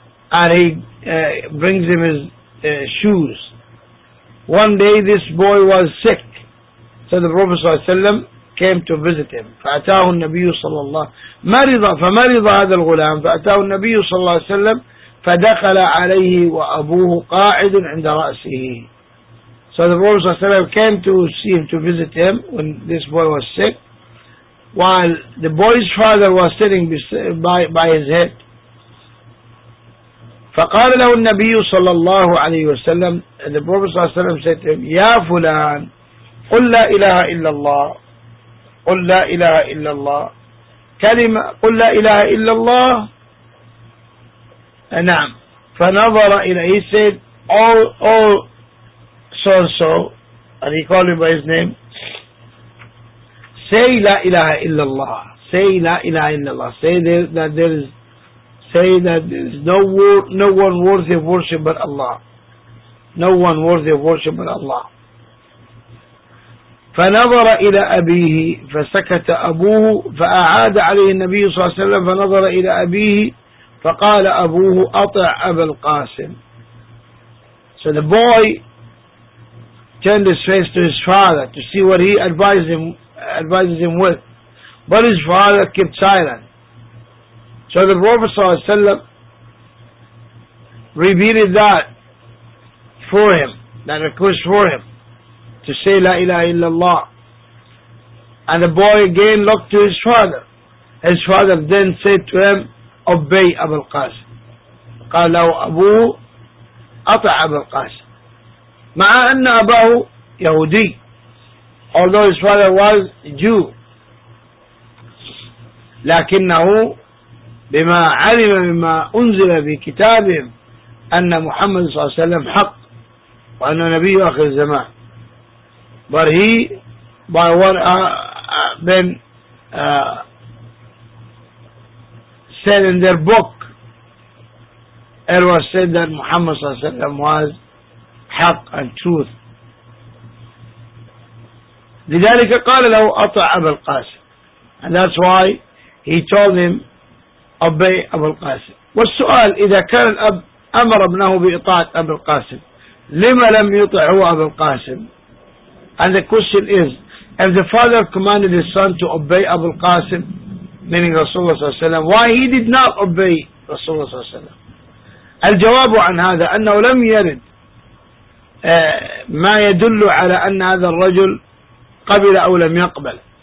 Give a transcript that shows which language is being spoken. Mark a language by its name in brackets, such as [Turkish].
[English] And he brings him his shoes. One day this boy was sick. So the Prophet صلى الله عليه وسلم came to visit him. [Arabic] فأتاه النبي صلى الله مرض فمرض هذا الغلام فأتاه النبي صلى الله عليه وسلم فدخل عليه وأبوه قاعد عند رأسه. [English] So the Prophet صلى الله عليه وسلم came to see him, to visit him when this boy was sick. While the boy's father was sitting by his head. [Arabic] فقال له النبي صلى الله عليه وسلم [English] the Prophet صلى الله عليه وسلم said to him [Arabic] يا فلان قل لا إله إلا الله قل لا إله إلا الله كلمة قل لا إله إلا الله نعم فنظر إلى [English] he said all so and so and he called him by his name say [Arabic] لا إله إلا الله [English] say لا إله إلا الله say that there is say that there is no one worthy of worship but Allah. No one worthy of worship but Allah. [Arabic] فنظر إلى أبيه فسكت أبوه فأعاد عليه النبي صلى الله عليه وسلم فنظر إلى أبيه فقال أبوه أطع أبا القاسم. [English] So the boy turned his face to his father to see what he advises him with. But his father kept silent. So the Prophet صلى الله عليه وسلم repeated that for him, that request for him to say [Arabic] لا إله إلا الله. [English] And the boy again looked to his father. His father then said to him, obey أبا القاسم. [Arabic] قال له أبوه أطع أبا القاسم. مع أن أباه يهودي. [English] Although his father was Jew. [Arabic] لكنه بما علم مما أنزل في كتابهم أن محمد صلى الله عليه وسلم حق وأنه نبي آخر الزمان. [English] But he by what been said in their book, it was said that Muhammad صلى الله عليه وسلم was حق and truth. [Arabic] لذلك قال له أطع أبا القاسم. [English] And that's why he told him obey أبا القاسم. [Arabic] والسؤال إذا كان الأب أمر ابنه بإطاعة أبا القاسم لما لم يطع هو أبا القاسم؟ [English] And the question is, if the father commanded his son to obey Abu al-Qasim, meaning Rasulullah صلى الله عليه وسلم, why he did not obey Rasulullah صلى الله عليه وسلم؟ [Arabic] الجواب عن هذا أنه لم يرد ما يدل على أن هذا الرجل قبل أو لم يقبل.